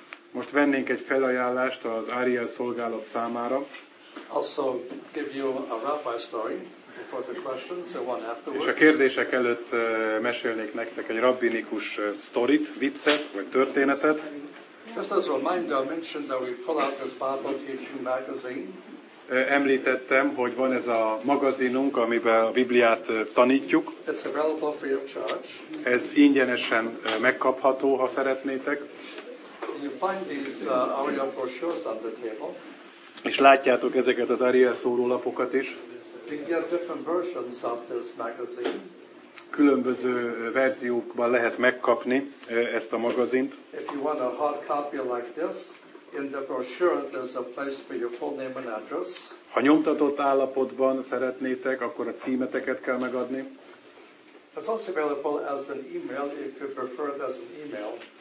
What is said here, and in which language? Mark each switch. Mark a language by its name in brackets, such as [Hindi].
[Hungarian] Most vennénk egy felajánlást az Ariel szolgálat számára. [English] Also give you a rabbi story before the questions, the one afterwards. [Hungarian] És a kérdések előtt mesélnék nektek egy rabbinikus sztorit, viccet vagy történetet. [English] Just as a reminder, I mentioned that we pull out this Bible teaching magazine. [Hungarian] Említettem, hogy van ez a magazinunk, amiben a Bibliát tanítjuk. [English] It's available for your charge. [Hungarian] Ez ingyenesen megkapható, ha szeretnétek. [English] You find these Aria brochures on the table. [Hungarian] És látjátok ezeket az Aria szórólapokat is. [English] They have different versions of this magazine. [Hungarian] Különböző verziókban lehet megkapni ezt a magazint. [English] If you want a hard copy like this, in the brochure there's a place for your full name and address. [Hungarian] Ha nyomtatott állapotban szeretnétek, akkor a címeteket kell megadni. [English] It's also available as an email if you prefer it as an email.